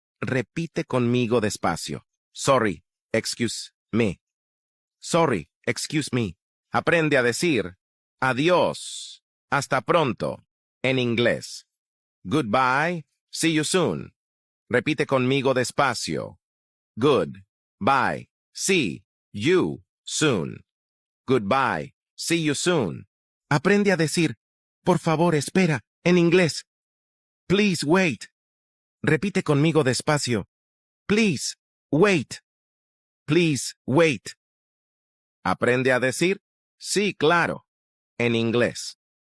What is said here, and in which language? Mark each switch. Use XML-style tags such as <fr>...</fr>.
<es>Repite conmigo despacio.</es> <en>Sorry, excuse me. Sorry, excuse me.</en> <es>Aprende a decir, adiós, hasta pronto, en inglés.</es> <en>Goodbye, see you soon.</en> <es>Repite conmigo despacio.</es> <en>Goodbye, see you soon. Goodbye, see you soon.</en> <es>Aprende a decir, por favor, espera, en inglés.</es> <en>Please wait.</en> <es>Repite conmigo despacio.</es> <en>Please wait. Please wait.</en> <es>Aprende a decir, sí, claro, en inglés.</es>